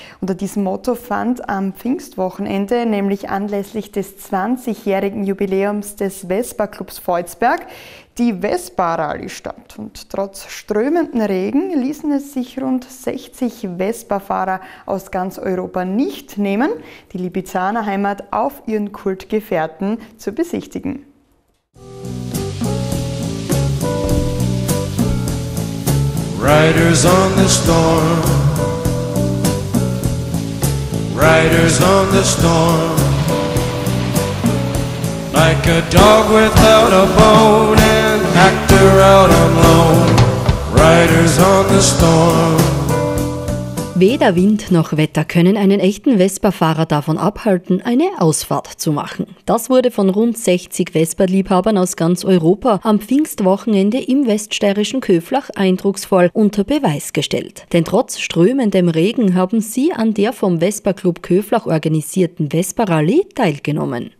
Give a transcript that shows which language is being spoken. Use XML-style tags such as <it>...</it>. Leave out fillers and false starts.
<de>Unter diesem Motto fand am Pfingstwochenende, nämlich anlässlich des 20-jährigen Jubiläums des Vespa-Clubs Voitsberg, die Vespa-Rallye statt. Und trotz strömenden Regen ließen es sich rund 60 Vespa-Fahrer aus ganz Europa nicht nehmen, die Lipizzaner Heimat auf ihren Kultgefährten zu besichtigen.</de> <en>Riders on the storm, riders on the storm, like a dog without a bone, an actor out on loan, riders on the storm.</en> <de>Weder Wind noch Wetter können einen echten Vespa-Fahrer davon abhalten, eine Ausfahrt zu machen. Das wurde von rund 60 Vespa-Liebhabern aus ganz Europa am Pfingstwochenende im weststeirischen Köflach eindrucksvoll unter Beweis gestellt. Denn trotz strömendem Regen haben sie an der vom Vespa-Club Köflach organisierten Vespa-Rallye teilgenommen.</de>